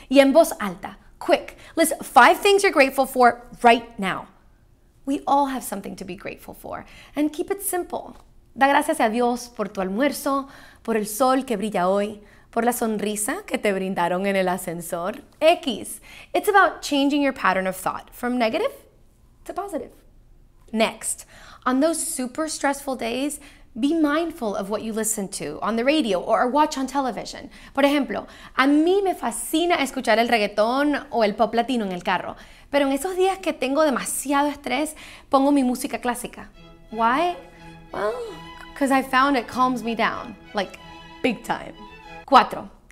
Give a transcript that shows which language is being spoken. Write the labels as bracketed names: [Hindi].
[English] Y en voz alta, quick, list 5 things you're grateful for right now. We all have something to be grateful for. And keep it simple. [Spanish] Da gracias a Dios por tu almuerzo, por el sol que brilla hoy. Por la sonrisa que te brindaron en el ascensor. X. [English] It's about changing your pattern of thought from negative to positive. Next, on those super stressful days, be mindful of what you listen to on the radio or watch on television. [Spanish] Por ejemplo, a mí me fascina escuchar el reggaetón o el pop latino en el carro, pero en esos días que tengo demasiado estrés, pongo mi música clásica. [English] Why? Well, because I found it calms me down, like big time. 4.